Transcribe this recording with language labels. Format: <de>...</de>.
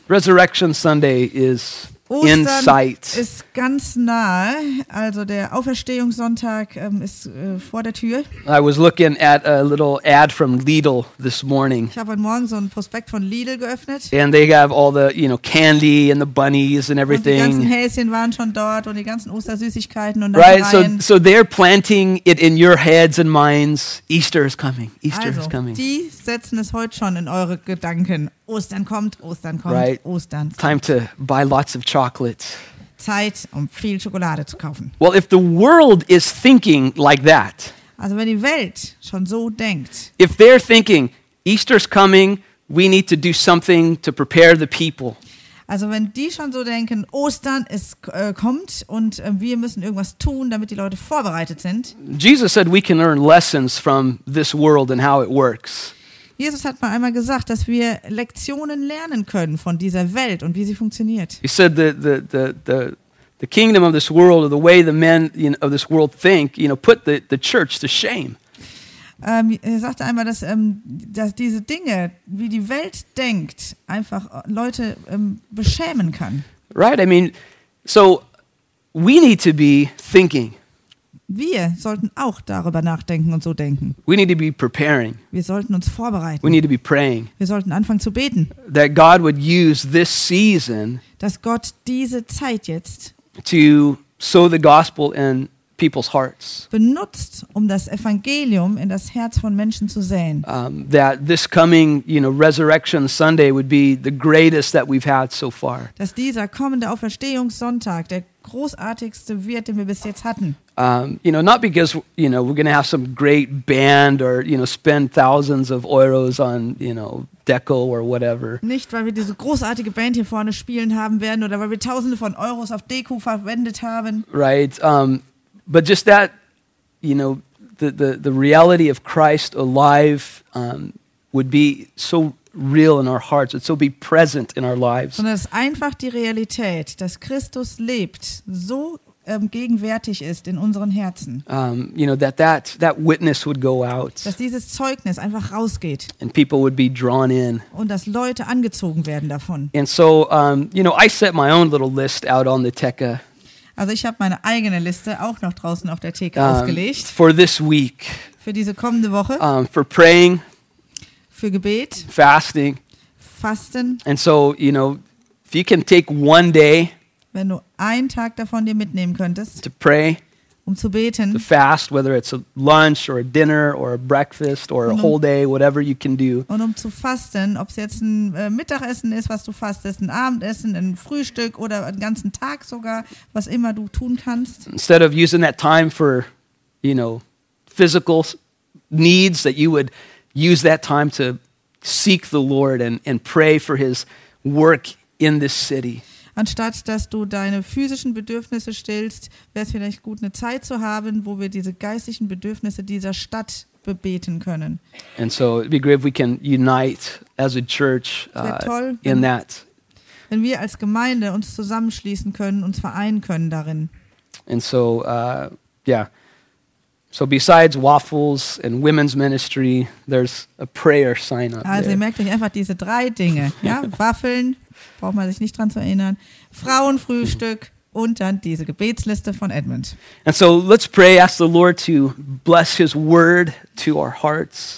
<en>Resurrection Sunday is in sight.</en> <de>Ostern ist ganz nah. Also der Auferstehungssonntag ist vor der Tür.</de> <en>I was looking at a little ad from Lidl this morning.</en> <de>Ich habe heute Morgen so einen Prospekt von Lidl geöffnet.</de> <en>And they have all the, you know, candy and the bunnies and everything.</en> <de>Und die ganzen Häschen waren schon dort und die ganzen Ostersüßigkeiten und</de> <en>Right, so they're planting it in your heads and minds. Easter is coming. Easter</en> <de>also,</de> <en>is coming.</en> <de>Die setzen es heute schon in eure Gedanken. Ostern kommt, Ostern kommt,</de> <en>right.</en> <de>Ostern.</de> <en>Time to buy lots of chocolate.</en> <de>Zeit, um viel Schokolade zu kaufen.</de> <en>Well, if the world is thinking like that.</en> <de>Also wenn die Welt schon so denkt.</de> <en>If they're thinking, Easter's coming, we need to do something to prepare the people.</en> <de>Also wenn die schon so denken, Ostern ist kommt und wir müssen irgendwas tun, damit die Leute vorbereitet sind.</de> <en>Jesus said we can learn lessons from this world and how it works.</en> <de>Jesus hat mal einmal gesagt, dass wir Lektionen lernen können von dieser Welt und wie sie funktioniert.</de> <en>He said the kingdom of this world or the way the men of this world think, you know, put the church to shame.</en> <de>Er sagte einmal, dass diese Dinge, wie die Welt denkt, einfach Leute beschämen kann.</de> <en>Right, I mean, so we need to be thinking.</en> <de>Wir sollten auch darüber nachdenken und so denken.</de> <en>We need to be preparing.</en> <de>Wir sollten uns vorbereiten.</de> <en>We need to be praying.</en> <de>Wir sollten anfangen zu beten.</de> <en>That God would use this season,</en> <de>dass Gott diese Zeit jetzt</de> <en>to sow the gospel in people's hearts.</en> <de>Benutzt, um das Evangelium in das Herz von Menschen zu säen.</de> <en>That this coming, you know, Resurrection Sunday would be the greatest that we've had so far.</en> <de>Dass dieser kommende Auferstehungssonntag der großartigste wird, den wir bis jetzt hatten.</de> <en>You know, not because, you know, we're going to have some great band or, you know, spend thousands of euros on, you know, deco or whatever.</en> <de>Nicht, weil wir diese großartige Band hier vorne spielen haben werden oder weil wir tausende von Euros auf Deko verwendet haben.</de> <en>Right, but just that, you know, the reality of Christ alive would be so real in our hearts and so be present in our lives.</en> <de>Sondern es ist einfach die Realität, dass Christus lebt, so gegenwärtig ist in unseren Herzen.</de> <en>You know, that witness would go out.</en> <de>Dass dieses Zeugnis einfach rausgeht.</de> <en>And people would be drawn in.</en> <de>Und dass Leute angezogen werden davon.</de> <en>And so, you know, I set my own little list out on the Theke.</en> <de>Also ich habe meine eigene Liste auch noch draußen auf der Theke ausgelegt.</de> <en>For this week.</en> <de>Für diese kommende Woche.</de> <en>For praying.</en> <de>Für Gebet.</de> <en>Fasting.</en> <de>Fasten.</de> <en>And so, you know, if you can take one day.</en> <de>Wenn du einen Tag davon dir mitnehmen könntest,</de> <en>to pray,</en> <de>um zu beten,</de> <en>to fast, whether it's a lunch or a dinner or a breakfast or a whole day, whatever you can do.</en> <de>Und um zu fasten, ob es jetzt ein Mittagessen ist, was du fastest, ein Abendessen, ein Frühstück oder einen ganzen Tag sogar, was immer du tun kannst.</de> <en>Instead of using that time for, you know, physical needs, that you would use that time to seek the Lord and pray for his work in this city.</en> <de>Anstatt dass du deine physischen Bedürfnisse stillst, wäre es vielleicht gut, eine Zeit zu haben, wo wir diese geistlichen Bedürfnisse dieser Stadt beten können.</de> <en>And so it'd be great if we can unite as a church in that.</en> <de>Wenn wir als Gemeinde uns zusammenschließen können, uns vereinen können darin.</de> <en>And so yeah. So besides waffles and women's ministry, there's a prayer sign up.</en> <de>Also ihr merkt euch einfach diese drei Dinge, ja? Waffeln, braucht man sich nicht dran zu erinnern. Frauenfrühstück und dann diese Gebetsliste von Edmund.</de> <en>And so let's pray, ask the Lord to bless his word to our hearts.</en>